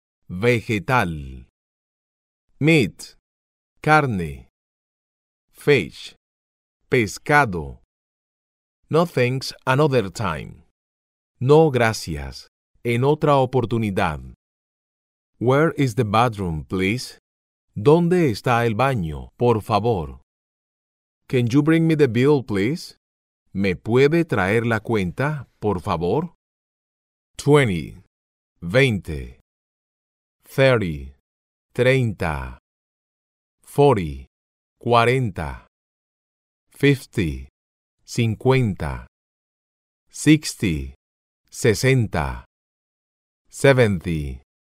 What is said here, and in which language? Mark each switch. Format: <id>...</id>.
<es>Vegetal. Meat. Carne. Fish. Pescado.</es> <en>No thanks, another time.</en> <es>No gracias. En otra oportunidad.</es> <en>Where is the bathroom, please?</en> <es>¿Dónde está el baño, por favor?</es> <en>Can you bring me the bill, please?</en> <es>¿Me puede traer la cuenta, por favor? 20. 20. 30. 30. 40. 40. 50. 50. 60. 60. 70.</es>